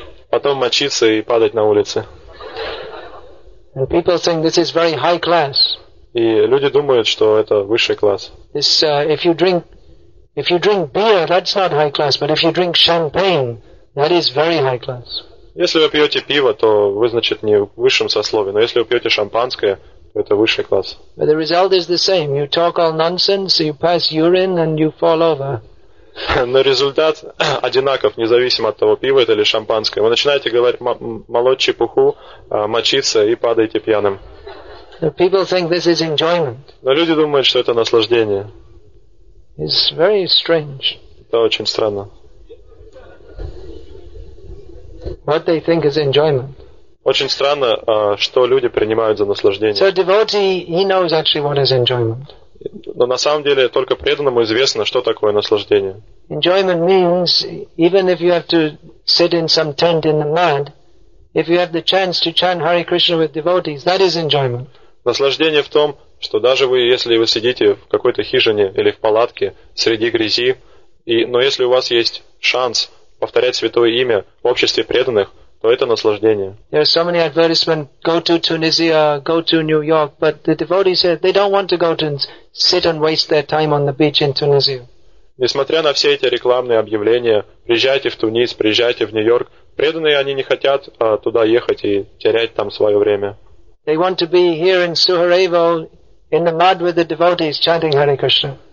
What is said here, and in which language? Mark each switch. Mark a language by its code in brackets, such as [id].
[ru] Потом мочиться и падать на улице. [en] And people think this is very high class. [ru] И люди думают, что это высший класс. [en] This, if you drink beer, that's not high class, but if you drink champagne, that is very high class. [ru] Если вы пьете пиво, то вы, значит, не в высшем сословии, но если вы пьете шампанское, то это высший класс. [en] But the result is the same. You talk all nonsense, you pass urine, and you fall over. [ru] Но результат одинаков, независимо от того, пиво это или шампанское. Вы начинаете говорить, молоть чепуху, мочиться и падаете пьяным. [en] People think this is enjoyment. [ru] Но люди думают, что это наслаждение. [en] It's very strange. [ru] Это очень странно. [en] What they think is enjoyment. [ru] Очень странно, что люди принимают за наслаждение. [en] So devotee, he knows actually what is enjoyment. [ru] Но на самом деле только преданному известно, что такое наслаждение. [en] Enjoyment means, even if you have to sit in some tent in the mud, if you have the chance to chant Hare Krishna with devotees, that is enjoyment. [ru] Наслаждение в том, что даже вы, если вы сидите в какой-то хижине или в палатке среди грязи, но если у вас есть шанс повторять святое имя в обществе преданных, то это наслаждение. [en] There are so many advertisements, go to Tunisia, go to New York, but the devotees here, they don't want to go to sit and waste their time on the beach in Tunisia. [ru] Несмотря на все эти рекламные объявления, приезжайте в Тунис, приезжайте в Нью-Йорк, преданные они не хотят туда ехать и терять там свое время. [en] They want to be here in Suharevo, in the mud with the devotees, chanting Hare Krishna.